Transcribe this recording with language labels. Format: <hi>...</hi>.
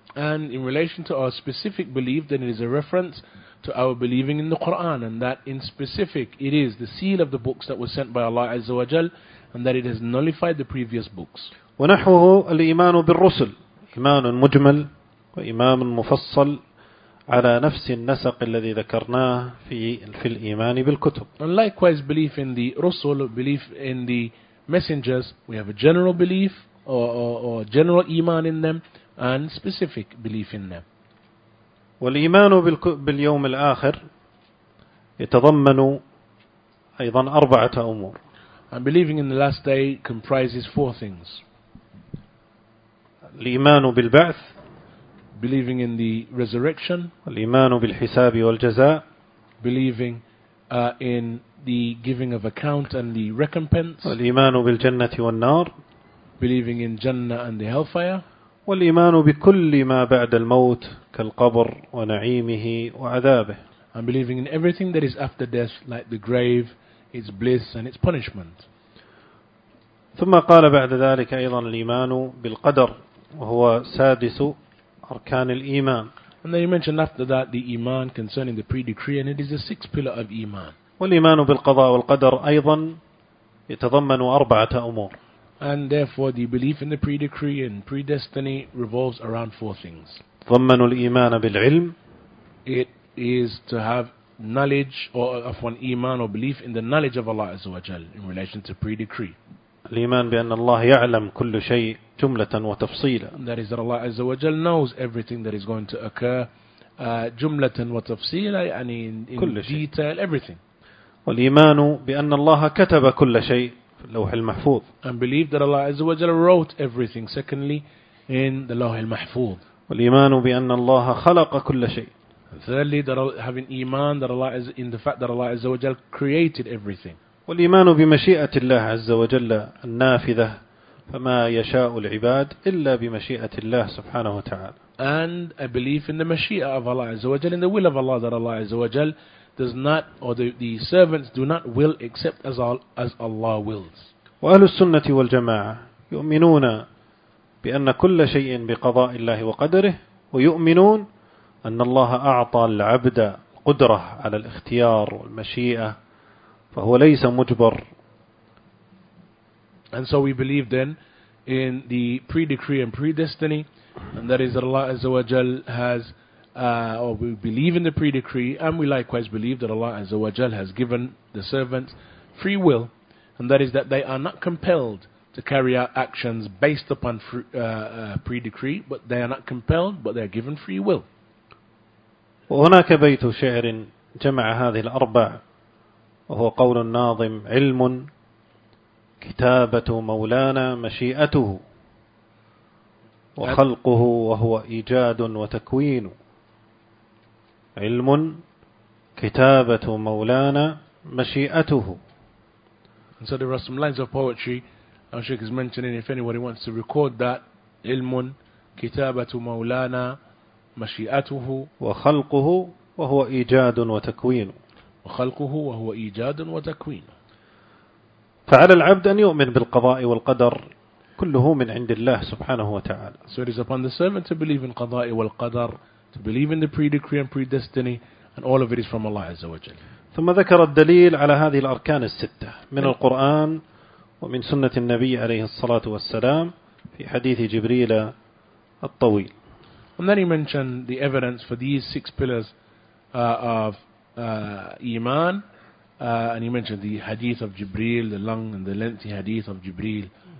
<en>And in relation to our specific belief, then it is a reference to our believing in the Quran, and that in specific it is the seal of the books that was sent by Allah عز وجل, and that it has nullified the previous books.</en> <ar>ونحوه الإيمان بالرسل إيمان مجمل وإيمان مفصل على نفس النسق الذي ذكرناه في الإيمان بالكتب.</ar> <en>And likewise belief in the رسل, belief in the messengers, we have a general belief or general إيمان in them and specific belief in them.</en> <ar>والإيمان باليوم الآخر يتضمن أيضا أربعة أمور.</ar> <en>And believing in the last day comprises four things.</en> <ar>الإيمان بالبعث.</ar> <en>Believing in the resurrection.</en> <ar>الإيمان بالحساب والجزاء.</ar> <en>Believing in the giving of account and the recompense.</en> <ar>الإيمان بالجنة والنار.</ar> <en>Believing in Jannah and the hellfire.</en> <ar>والإيمان بكل ما بعد الموت كالقبر ونعيمه وعذابه.</ar> <en>And believing in everything that is after death, like the grave, its bliss and its punishment.</en> <ar>ثم قال بعد ذلك أيضا الإيمان بالقدر وهو سادس أركان الإيمان.</ar> <en>And then you mentioned after that the iman concerning the pre-decree, and it is the sixth pillar of iman.</en> <ar>والإيمان بالقضاء والقدر أيضا يتضمن أربعة أمور.</ar> <en>And therefore the belief in the pre-decree and predestiny revolves around four things.</en> <ar>تضمن الإيمان بالعلم.</ar> <en>It is to have knowledge or of one iman or belief in the knowledge of Allah عز وجل in relation to pre-decree.</en> <ar>الإيمان بأن الله يعلم كل شيء جملة وتفصيلا.</ar> <en>That is that Allah عز وجل knows everything that is going to occur</en> <ar>جملة وتفصيلا, يعني</ar> <en>in</en> <ar>كل شيء.</ar> <en>Detail, everything.</en> <ar>والإيمان بأن الله كتب كل شيء في اللوح المحفوظ.</ar> <en>And believe that Allah عز وجل wrote everything. Secondly, in the Lawh al-Mahfuz.</en> <ar>والإيمان بأن الله خلق كل شيء.</ar> <en>Thirdly, having iman that Allah is in the fact that Allah Azza wa Jalla created everything.</en> <ar>والإيمان بمشيئة الله عز وجل النافذة فما يشاء العباد إلا بمشيئة الله سبحانه وتعالى.</ar> <en>And a belief in the mashia of Allah Azza wa Jalla, in the will of Allah that Allah Azza wa Jalla does not, or the servants do not will except as Allah wills.</en> <ar>وأهل السنة والجماعة يؤمنون بأن كل شيء بقضاء الله وقدره ويؤمنون أن الله أعطى العبد قدرة على الاختيار والمشيئة فهو ليس مجبر.</ar> <en>And so we believe then in the pre-decree and predestiny, and that is that Allah Azza wa Jal has, or we believe in the pre-decree, and we likewise believe that Allah Azza wa Jal has given the servants free will, and that is that they are not compelled to carry out actions based upon pre-decree, but they are not compelled, but they are given free will.</en> <ar>وهناك بيت شعر جمع هذه الأربع وهو قول الناظم علم كتابة مولانا مشيئته وخلقه وهو إيجاد وتكوين علم كتابة مولانا مشيئته.</ar> <en>And so there are some lines of poetry Al-Sheikh is mentioning, if anybody wants to record that,</en> <ar>علم كتابة مولانا مشيئته وخلقه وهو إيجاد وتكوين وخلقه وهو إيجاد وتكوين. فعلى العبد أن يؤمن بالقضاء والقدر كله من عند الله سبحانه وتعالى.</ar> <en>So it is upon the servant to believe in</en> <ar>قضاء والقدر,</ar> <en>to believe in the pre-decree and predestiny, and all of it is from Allah عز وجل.</en> <ar>ثم ذكر الدليل على هذه الأركان الستة من القرآن ومن سنة النبي عليه الصلاة والسلام في حديث جبريل الطويل.</ar> <en>And then he mentioned the evidence for these six pillars of iman. And he mentioned the hadith of Jibreel, the long and the lengthy hadith of Jibreel.</en>